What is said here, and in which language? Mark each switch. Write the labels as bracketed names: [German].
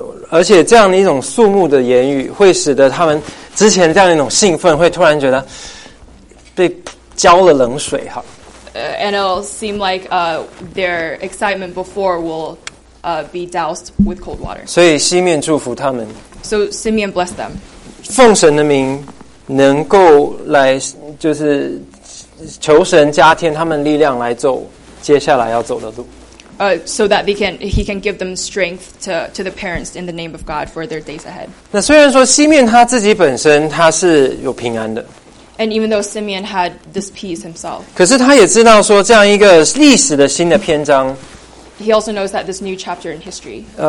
[Chinese] 而且这样的一种肃穆的言语会使得他们之前这样的一种兴奋会突然觉得被浇了冷水 [English] And it'll seem like their excitement before will be doused with cold water. [Chinese] 所以西面祝福他们 [English] So Simeon blessed them. [Chinese] 奉神的名能够来就是求神加添他们力量来走接下来要走的路 [English] So that they can, he can give them strength to the parents in the name of God for their days ahead. [Chinese] 那虽然说西面他自己本身他是有平安的, [English] and even though Simeon had this peace himself, [Chinese] 可是他也知道说这样一个历史的新的篇章, [English] he also knows that this new chapter in history,